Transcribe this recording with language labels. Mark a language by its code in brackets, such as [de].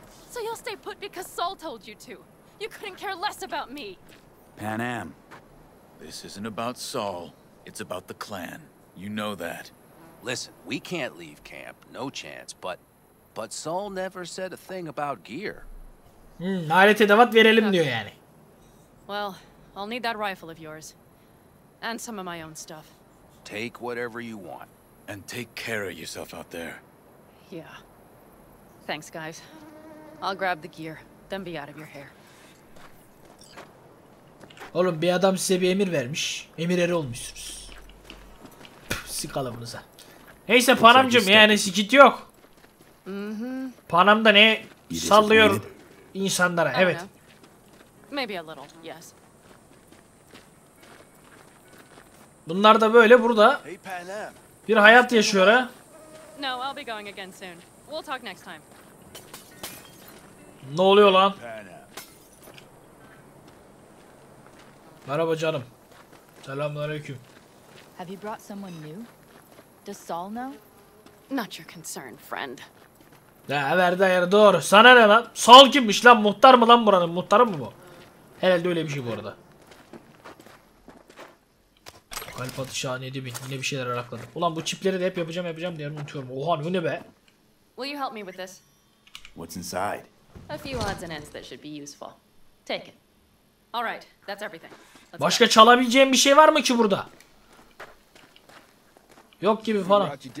[en] So you'll stay put because Saul told you to. You couldn't care less about me. Pan Am. This isn't about Saul. It's about the clan. You know that. Listen, we can't leave camp. No chance. But Saul never said a thing about gear. Alet edevat verelim diyor yani. Well, I'll need that rifle of yours. And some of my own stuff. Take whatever you want. And take care of yourself out there. Yeah. Thanks, guys. I'll grab the gear, then be out of your hair. [tr] Oğlum, bir adam size bir emir vermiş. Emir eri olmuşsunuz. Sikalımınıza. Neyse panamcım, yani sikit yok. Panamda ne sallıyor insanlara, evet. [en] Maybe a little, yes. [tr] Bunlar da böyle burada. Bir hayat yaşıyor ha. [en] No, I'll be going again soon. We'll talk next time. [tr] Ne oluyor lan? Merhaba canım. Selamünaleyküm. [en] Have you brought someone new? Does Saul know? Not your concern, friend. [tr] Ya verdi ayarı, doğru. Sana ne lan? Saul kimmiş lan? Muhtar mı lan buranın? Muhtarı mı bu? Herhalde öyle bir şey bu arada. Kalp atışı 7000. Yine bir şeyler arakladım. Ulan bu çipleri de hep yapacağım diye unutuyorum. Oha bu ne be? [en] Will you help me with this? What's inside? A few odds and ends that should be useful. Take it. All right, that's everything. [tr] Başka çalabileceğim bir şey var mı ki burada? Yok gibi falan.